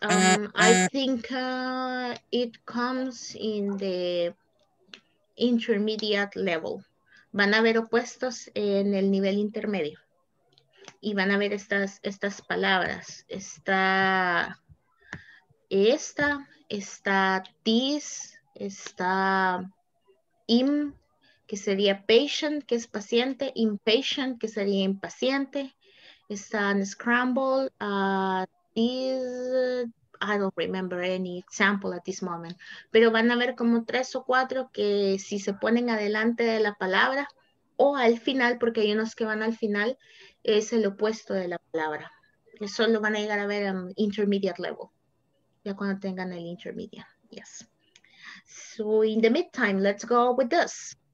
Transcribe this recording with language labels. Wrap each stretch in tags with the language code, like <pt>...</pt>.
<en>I think it comes in the intermediate level.</en> <es>Van a haber opuestos en el nivel intermedio. Y van a ver estas palabras. Está esta, está this, está im, que sería patient, que es paciente, impatient, que sería impaciente.</es> <en>Está scramble, this, I don't remember any example at this moment.</en> <es>Pero van a ver como tres o cuatro que si se ponen adelante de la palabra o al final, porque hay unos que van al final, es el opuesto de la palabra. Eso lo van a llegar a ver en intermediate level. Ya cuando tengan el intermediate. Yes.</es> <en>So in the meantime, let's go with this.</en>